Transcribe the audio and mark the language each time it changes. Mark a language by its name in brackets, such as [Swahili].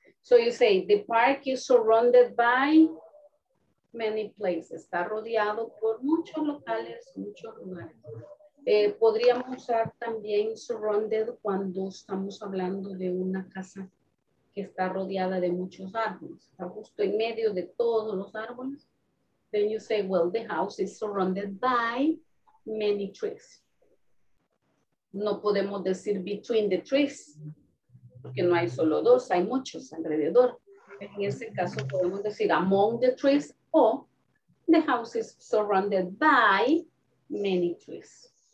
[English] So you say the park is surrounded by many places. [Spanish] Está rodeado por muchos locales, muchos lugares. Podríamos usar también surrounded cuando estamos hablando de una casa que está rodeada de muchos árboles. Está justo en medio de todos los árboles. [English] Then you say, well, the house is surrounded by many trees. [Spanish] No podemos decir [English] between the trees, [Spanish] porque no hay solo dos, hay muchos alrededor. En ese caso podemos decir [English] among the trees o the house is surrounded by many trees.